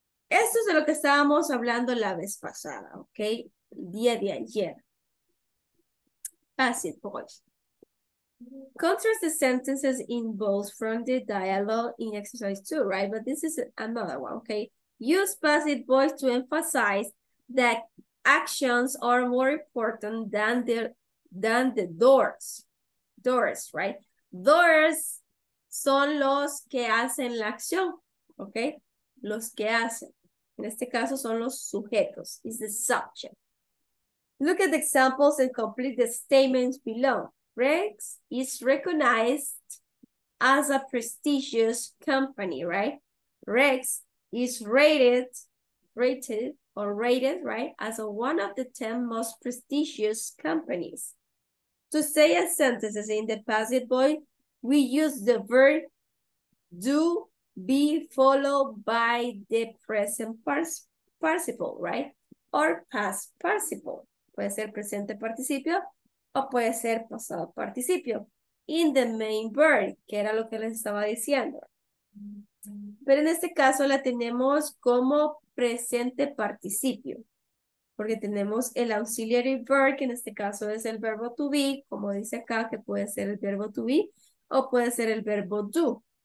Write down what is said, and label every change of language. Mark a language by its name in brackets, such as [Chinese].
[Spanish] Esto es de lo que estábamos hablando la vez pasada, okay? Día de ayer. Passive voice. [English] Contrast the sentences in both from the dialogue in exercise 2, right? But this is another one, okay? Use passive voice to emphasize that actions are more important than the doors. Doors, right? [Spanish] Doors son los que hacen la acción, okay? Los que hacen. En este caso son los sujetos. [English] It's the subject. Look at the examples and complete the statements below. Rex is recognized as a prestigious company, right? Rex is rated, right, as a, one of the 10 most prestigious companies. To say a sentence in the passive voice, we use the verb do be followed by the present participle, right? Or past participle. [Spanish] Puede ser presente participio o puede ser pasado participio. [English] In the main verb, [Spanish] que era lo que les estaba diciendo. Pero en este caso la tenemos como presente participio. Porque tenemos el auxiliary verb, que en este caso es el verbo to be, como dice acá, que puede ser el verbo to be o puede ser el verbo do.